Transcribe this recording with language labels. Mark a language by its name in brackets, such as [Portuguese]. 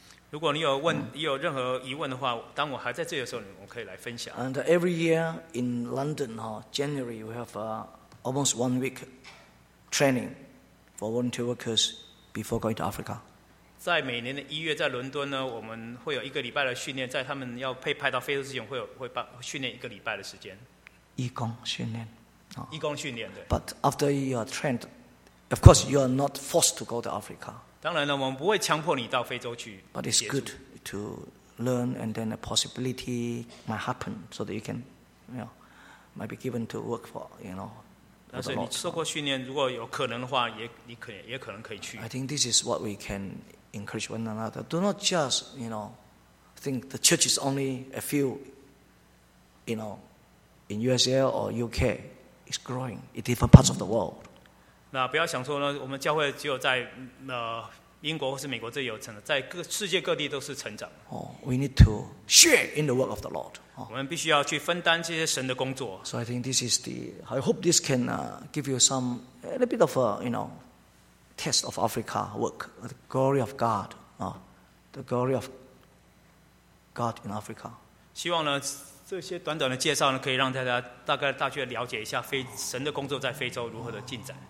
[Chinese] 如果你有问，有任何疑问的话，当我还在这里的时候，我可以来分享。 [English] And every year in London, January, we have almost 1 week training for volunteer workers before going to Africa. [Chinese] 在每年的一月，在伦敦呢，我们会有一个礼拜的训练，在他们要被派到非洲之前，会办训练一个礼拜的时间。义工训练，义工训练，对。 [English] But after you are trained, of course you are not forced to go to Africa. [Chinese] 当然了，我们不会强迫你到非洲去。 [English] But it's good to learn, and then a possibility might happen, so that you can, you know, might be given to work for, you know. [Chinese] 但是你受过训练，如果有可能的话，也可能可以去。 [English] I think this is what we can encourage one another. Do not just, you know, think the church is only a few, you know, in USA or UK. It's growing in different parts of the world. [Chinese] 那不要想说呢，我们教会只有在英国或是美国这有成长，在世界各地都是成长。 [English] We need to share in the work of the Lord. [Chinese] 我们必须要去分担这些神的工作。 [English] So I think this is the. I hope this can give you some a little bit of a you know test of Africa work, the glory of God, the glory of God in Africa. [Chinese] 希望呢这些短短的介绍呢，可以让大家大概了解一下神的工作在非洲如何的进展。